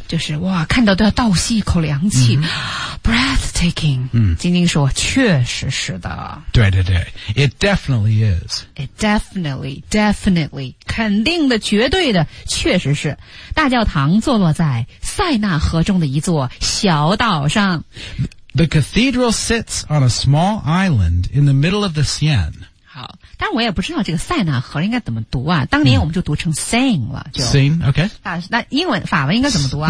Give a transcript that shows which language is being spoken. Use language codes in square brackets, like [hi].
[zh] 就是哇，看到都要倒吸一口凉气、mm-hmm. Breathtaking. 晶晶说确实是的。 [en] 对对对 It definitely is. It definitely, definitely. [zh] 肯定的绝对的确实是。大教堂坐落在塞纳河中的一座小岛上。 [en] The cathedral sits on a small island in the middle of the Seine. [zh] 好，但我也不知道这个塞纳河应该怎么读啊。当年我们就读成 Seine 了，就 [en] Seine. Okay. [zh] 那英文法文应该怎么读啊？